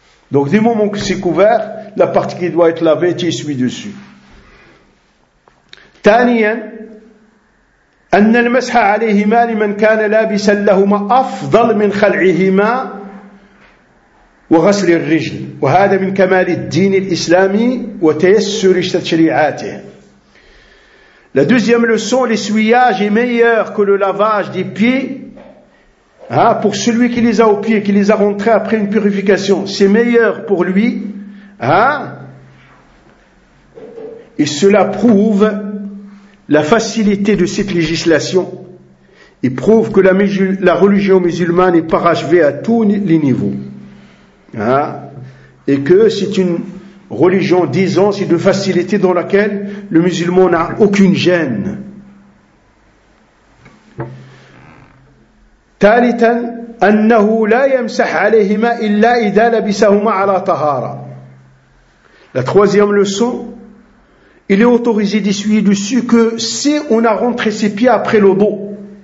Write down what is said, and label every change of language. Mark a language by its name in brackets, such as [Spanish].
[French] Donc du moment que c'est couvert, la partie qui doit être lavée, tu essuies dessus. [Arabic] Taniyan, أن المسح عليهما لمن كان لابسا لهما أفضل من خلعهما وغسل الرجل وهذا من كمال الدين الإسلامي وتيسر شريعاته. [French] La deuxième leçon, l'essuyage est meilleur que le lavage des pieds Hein, pour celui qui les a au pied, qui les a rentrés après une purification, c'est meilleur pour lui. Hein? Et cela prouve la facilité de cette législation. Il prouve que la religion musulmane est parachevée à tous les niveaux. Hein? Et que c'est une religion d'aisance et de facilité dans laquelle le musulman n'a aucune gêne. [Arabic] ثالثا انه لا يمسح عليهما الا اذا لبسهما على طهاره. [French] La troisième leçon, il est autorisé d'essuyer dessus que si on a rentré ses pieds après le dos.